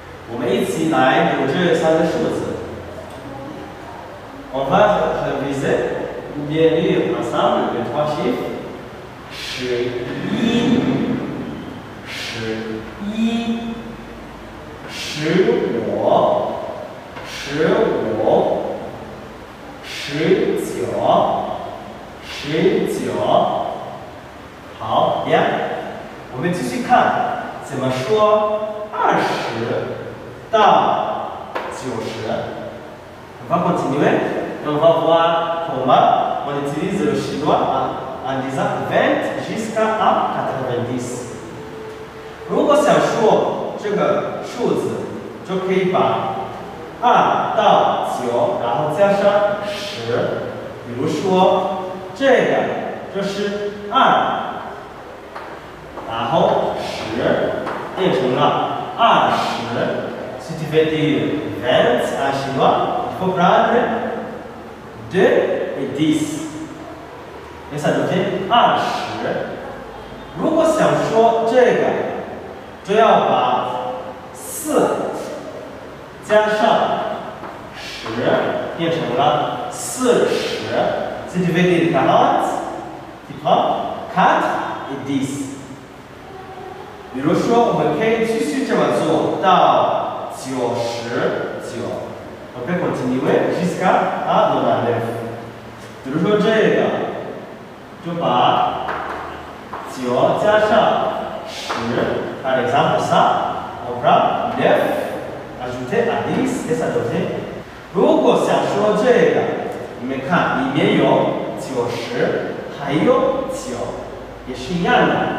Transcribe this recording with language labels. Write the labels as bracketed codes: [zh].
[zh] 我们一起来读这三个数字。 [fr] On va réviser bien lire ensemble les trois chiffres. [zh] 十一，十一，十五，十五，十九，十九。好，bien，我们继续看怎么说二十到九十。 [fr] On va continuer. On va voir comment on utilise le chinois en disant 20 jusqu'à 90. [zh] 如果想说这个数字，就可以把二到九，然后加上十。比如说，这个就是二，然后十变成了二十。 [fr] Si tu veux dire 20 en chinois, il faut prendre. Deux et dix. Et ça devient 二十。 [zh] 如果想说这个，就要把四加上十，变成了四十。 [fr] Si tu veux dire quarante, tu prends quatre et dix. [zh] 比如说，我们可以继续这么做到九十九。 [fr] OK, continue jusqu'à 99. [zh] 比如说这个，就把九加上十。 [fr] Par exemple, ça, on prend 9, ajouter à 10, et ça devient. [zh] 如果想说这个，你们看里面有九十，还有九，也是一样的。